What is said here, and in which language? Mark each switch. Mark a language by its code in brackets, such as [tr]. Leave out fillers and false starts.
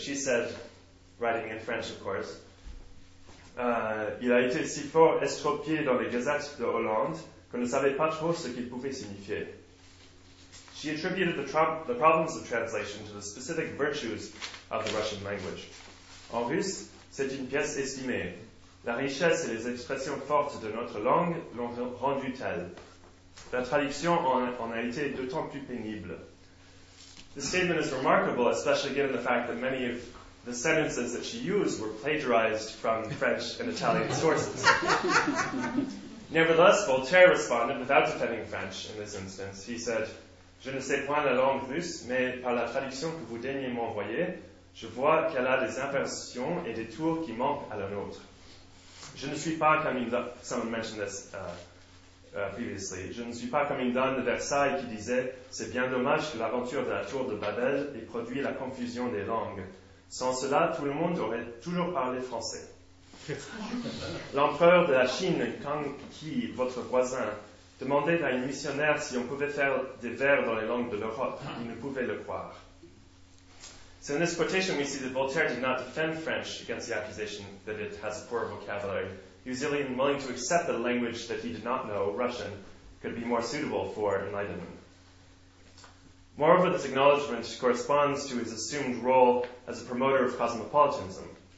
[en] She said, writing in French, of course, [fr] Il a été si fort estropié dans les gazettes de Hollande qu'on ne savait pas trop ce qu'il pouvait signifier. [en] She attributed the problems of translation to the specific virtues of the Russian language. [fr] En russe, c'est une pièce estimée. La richesse et les expressions fortes de notre langue l'ont rendu telle. La traduction en a été d'autant plus pénible. [en] This statement is remarkable, especially given the fact that many of the sentences that she used were plagiarized from French and Italian sources. Nevertheless, Voltaire responded without defending French in this instance. He said, [fr] Je ne sais point la langue russe, mais par la traduction que vous daignez m'envoyer, je vois qu'elle a des imperfections et des tours qui manquent à la nôtre. Je ne suis pas comme une dame, [en] someone mentioned this previously. [fr] Je ne suis pas comme une dame de Versailles qui disait, c'est bien dommage que l'aventure de la tour de Babel ait produit la confusion des langues. Sans cela, tout le monde aurait toujours parlé français. L'empereur de la Chine, Kang Qi, votre voisin, demandait à une missionnaire si on pouvait faire des vers dans les langues de l'Europe. Il ne pouvait le croire. [en] So in this quotation, we see that Voltaire did not defend French against the accusation that it has a poor vocabulary. He was even willing to accept that a language that he did not know, Russian, could be more suitable for enlightenment. Moreover, this acknowledgement corresponds to his assumed role as a promoter of cosmopolitanism.